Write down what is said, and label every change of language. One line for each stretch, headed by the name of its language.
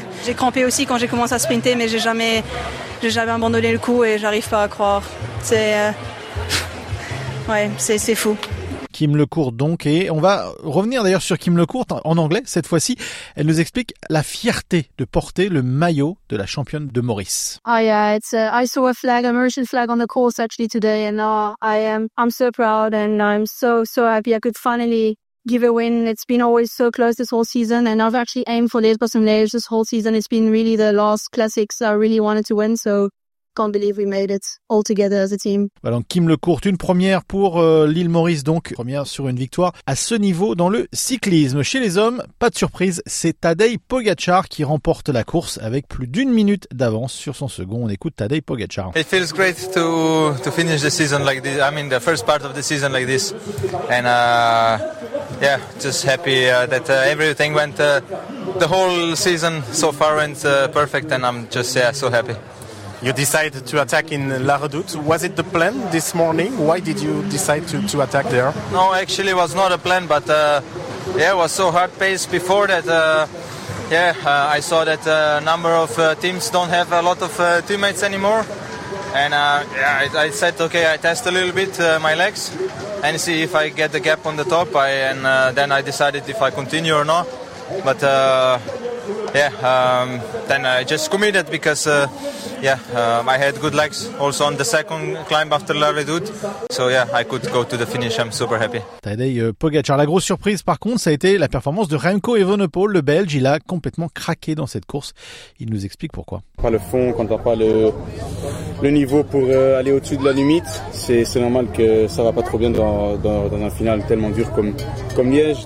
French: J'ai crampé aussi quand j'ai commencé à sprinter, mais j'ai jamais abandonné le coup et j'arrive pas à croire. C'est fou. Kim Lecourt donc, et on va revenir d'ailleurs sur Kim Lecourt en anglais cette fois-ci. Elle nous explique la fierté de porter le maillot de la championne de Maurice.
English: Oh yeah, I saw a flag, a Mauritian flag on the course actually today, and I'm so proud and I'm so happy I could finally give a win. It's been always so close this whole season, and I've actually aimed for Liège-Bastogne-Liège this whole season. It's been really the last classics I really wanted to win, so can't believe we made it all together as a team.
French: Voilà, donc Kim Lecourt, une première pour l'île Maurice, donc première sur une victoire à ce niveau dans le cyclisme. Chez les hommes, pas de surprise, c'est Tadej Pogacar qui remporte la course avec plus d'une minute d'avance sur son second. On écoute Tadej Pogacar.
English: It feels great to finish the season like this. I mean, the first part of the season like this, and yeah, just happy that everything went the whole season so far went perfect, and I'm just so happy. You decided to attack in La Redoute. Was it the plan this morning? Why did you decide to attack there? No, actually, it was not a plan, but it was so hard paced before that. I saw that a number of teams don't have a lot of teammates anymore, and I said, okay, I test a little bit my legs and see if I get the gap on the top. Then I decided if I continue or not. But then I just committed because I had good legs also on the second climb after La Redoute. So yeah, I could go to the finish. I'm super happy.
French: Tadej Pogacar. La grosse surprise, par contre, ça a été la performance de Remco Evenepoel, le Belge. Il a complètement craqué dans cette course. Il nous explique pourquoi. Pas le fond, quand t'as pas le niveau pour aller au-dessus de la limite, c'est normal que ça va pas trop bien dans un final tellement dur comme Liège.